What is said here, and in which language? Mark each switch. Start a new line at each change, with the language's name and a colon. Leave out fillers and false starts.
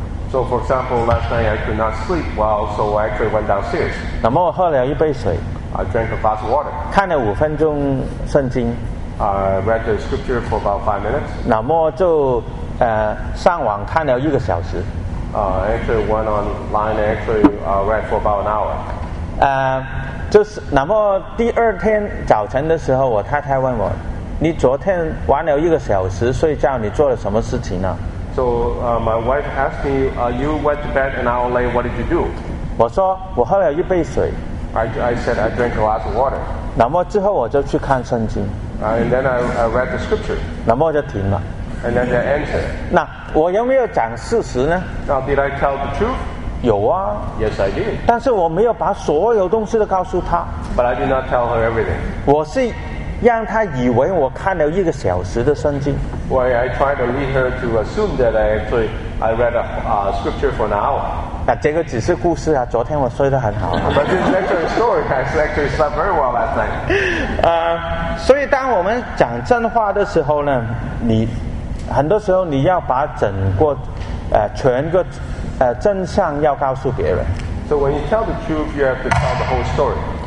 English: So for example, last night I could not sleep well, so I actually went downstairs.
Chinese: 那么我喝了一杯水。
English: I drank a glass of water.
Chinese: 看了五分钟圣经。
English: I read the scripture for about 5 minutes.
Chinese: 那么就上网看了一个小时。
English: Actually went online and actually read for about an hour.
Chinese: 就是那么第二天早晨的时候，我太太问我，你昨天玩了一个小时睡觉，你做了什么事情呢？
English: So my wife asked me, you went to bed an hour late, what did you do?
Chinese: 我说我喝了一杯水。
English: I said I drank a glass of water.
Chinese: 那么之后我就去看圣经。
English: And then I read the scripture.
Chinese: 那么我就停了。
English: And then I answered.
Chinese: 那我有没有讲事实呢？
English: Now, did I tell the truth?
Chinese: 有啊。
English: Yes, I did.
Chinese: 但是我没有把所有东西都告诉她。
English: But I did not tell her everything.
Chinese: 我是让他以为我看了一个小时的圣经。
English: Well, I tried to lead her to assume that I read a scripture for an hour.
Chinese: 那这个只是故事啊，昨天我睡得很好。
English: But this is actually a story. I actually slept very well last night.
Chinese: 所以当我们讲真话的时候呢，你很多时候你要把整个全个真相要告诉别人。
English: So when you tell the truth, you have to tell the whole story.